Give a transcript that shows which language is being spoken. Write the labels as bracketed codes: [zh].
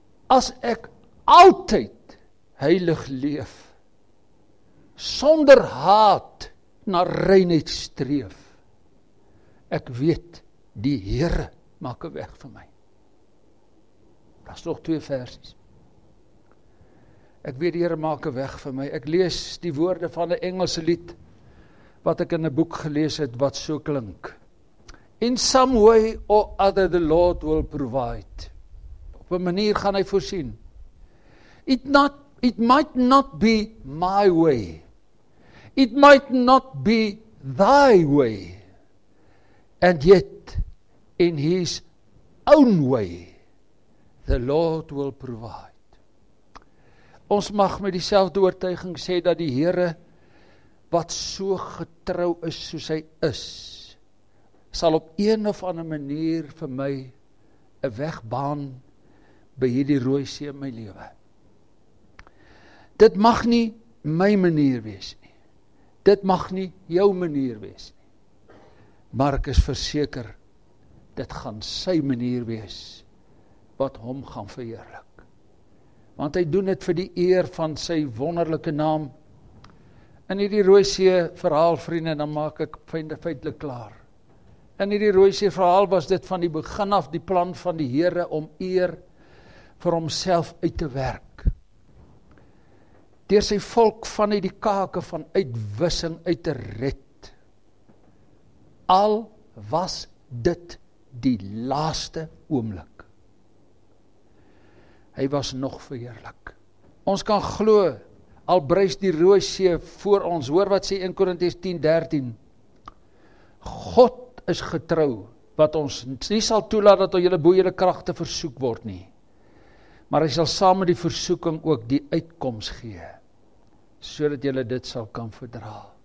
[af] As ek altyd heilig leef, sonder haat na reinheid streef, ek weet, die Here maak 'n weg vir my. Daar's nog 2 versies. Ek weet die Here maak 'n weg vir my. Ek lees die woorde van 'n Engelse lied wat ek in 'n boek gelees het wat so klink. [en] In some way or other the Lord will provide. [af] Op 'n manier gaan hy voorsien. [en] It might not be my way. It might not be thy way. And yet in his own way the Lord will provide. [af] Ons mag met dieselfde oortuiging sê dat die Here wat so getrou is soos hy is, sal op een of ander manier vir my 'n weg baan by hierdie rooi see in my lewe. Dit mag nie my manier wees nie. Dit mag nie jou manier wees nie. Maar ek is verseker, dit gaan sy manier wees wat hom gaan verheerlik. Want hy doen dit vir die eer van sy wonderlike naam. In hierdie rooi see verhaal, vriende, dan maak ek feitelik klaar. In hierdie rooi see verhaal was dit van die begin af die plan van die Here om eer vir homself uit te werk. Deur sy volk vanuit die kake van uitwissing uit te red. Al was dit die laaste oomblik. Hy was nog verheerlik. Ons kan glo, al brys die rooi see voor ons. Hoor wat sê 1 Korintiërs 10:13. God is getrou, wat ons nie sal toelaat dat julle bo julle kragte versoek word nie. Maar hy sal saam met die versoeking ook die uitkoms gee, sodat julle dit sal kan verdra.